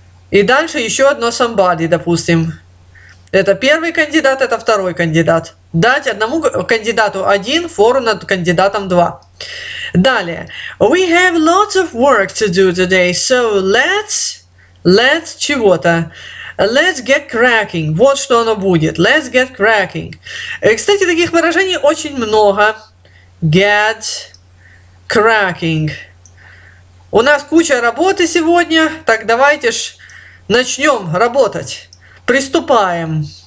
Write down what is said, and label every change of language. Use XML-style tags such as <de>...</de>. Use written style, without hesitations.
<ru>И дальше еще одно somebody, допустим. Это первый кандидат, это второй кандидат. Дать одному кандидату один, фору над кандидатом два. Далее.</ru> <en>We have lots of work to do today, so let's</en> <ru>чего-то.</ru> <en>Let's get cracking.</en> <ru>Вот что оно будет.</ru> <en>Let's get cracking.</en> <ru>Кстати, таких выражений очень много.</ru> <en>Get cracking.</en> <ru>У нас куча работы сегодня, так давайте ж начнем работать. Приступаем.</ru>